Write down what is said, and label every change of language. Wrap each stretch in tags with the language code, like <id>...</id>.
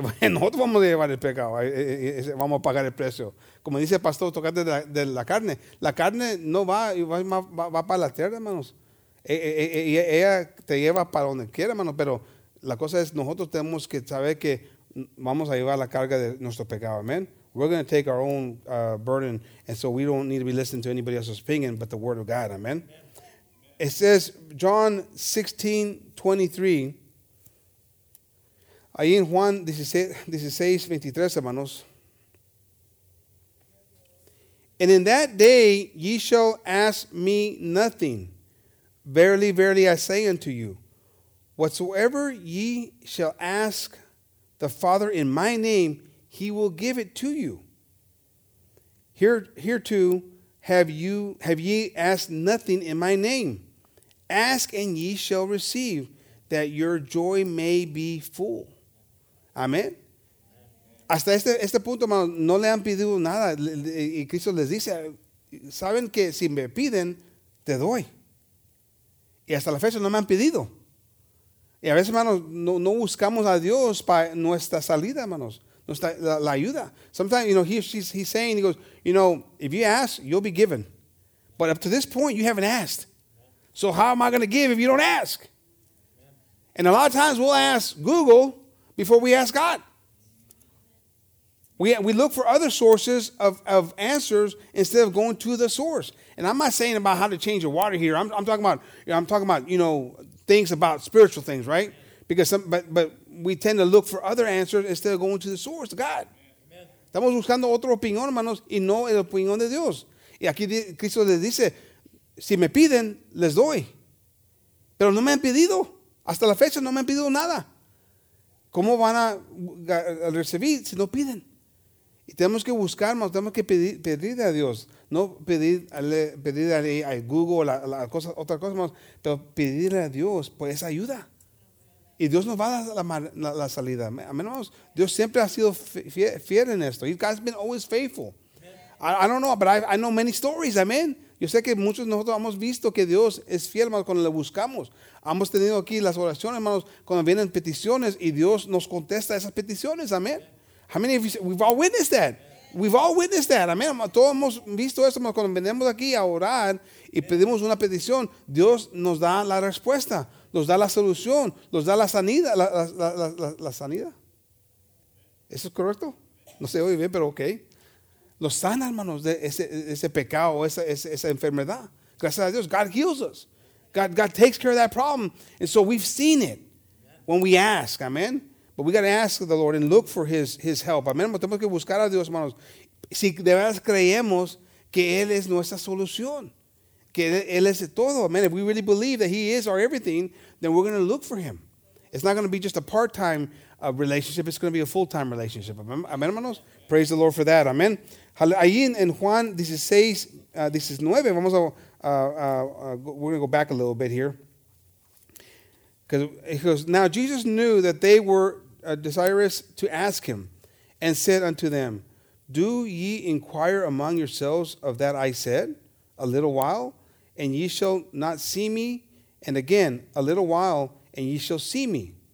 <es>Nosotros vamos a llevar el pecado, vamos a pagar el precio. Como dice el pastor, tocar de la carne. La carne no va para la tierra, hermanos. Ella te lleva para donde quiera, hermanos. Pero la cosa es, nosotros tenemos que saber que vamos a llevar la carga de nuestro pecado.</es> <en>Amen. We're going to take our own burden. And so we don't need to be listening to anybody else's opinion but the word of God. Amen. It says, John 16:23.</en> <es>Ahí en Juan 16:23, hermanos.</es> <en>And in that day ye shall ask me nothing. Verily, verily, I say unto you, whatsoever ye shall ask the Father in my name, he will give it to you. Hereto have ye asked nothing in my name. Ask and ye shall receive, that your joy may be full.</en> <es>Amén. Hasta este punto, hermano, no le han pedido nada. Y Cristo les dice, saben que si me piden, te doy. Y hasta la fecha no me han pedido. Y a veces, hermanos, no buscamos a Dios para nuestra salida, hermanos. Nuestra la ayuda.</es> <en>Sometimes, you know, he's saying, he goes, you know, if you ask, you'll be given. But up to this point, you haven't asked. So how am I going to give if you don't ask? And a lot of times we'll ask Google before we ask God. We look for other sources of answers instead of going to the source. And I'm not saying about how to change the water here. I'm talking about, you know, things about spiritual things, right? Because but we tend to look for other answers instead of going to the source, God.</en> <es>Estamos buscando otra opinión, hermanos, y no la opinión de Dios. Y aquí Cristo les dice, si me piden, les doy. Pero no me han pedido. Hasta la fecha no me han pedido nada. ¿Cómo van a recibir si no piden? Y tenemos que buscar, hermanos, tenemos que pedir a Dios. No pedirle a Google o otra cosa, hermanos, pero pedirle a Dios por esa ayuda. Y Dios nos va a dar la salida. Amén, hermanos. Dios siempre ha sido fiel en esto.</es> <en>God's been always faithful. I don't know, but I know many stories.</en> <es>Amén. Yo sé que muchos de nosotros hemos visto que Dios es fiel, hermanos, cuando le buscamos. Hemos tenido aquí las oraciones, hermanos, cuando vienen peticiones y Dios nos contesta esas peticiones. Amén.</es> <en>How many of you, we've all witnessed that.</en> <es>We've all witnessed that. Amén. Todos hemos visto eso. Cuando venimos aquí a orar y pedimos una petición, Dios nos da la respuesta, nos da la solución, nos da la sanidad. ¿La sanidad? ¿Eso es correcto? No sé, oye bien, pero ok. Nos sana, hermanos, de ese pecado, esa enfermedad. Gracias a Dios.</es> <en>God heals us. God takes care of that problem. And so we've seen it when we ask. Amén. But we got to ask the Lord and look for his help.</en> <es>Amén. Tenemos que buscar a Dios, hermanos. Si de verdad creemos que Él es nuestra solución, que Él es todo. Amén.</es> <en>If we really believe that He is our everything, then we're going to look for Him. It's not going to be just a part-time relationship. It's going to be a full-time relationship.</en> <es>Amén, hermanos.</es> <en>Praise the Lord for that.</en> <es>Amén. Ahí en Juan 16:9, vamos a.</es> <en>We're going to go back a little bit here. Because he goes, now Jesus knew that they were desirous to ask him and said unto them, do ye inquire among yourselves of that I said a little while, and ye shall not see me, and again a little while, and ye shall see me.</en>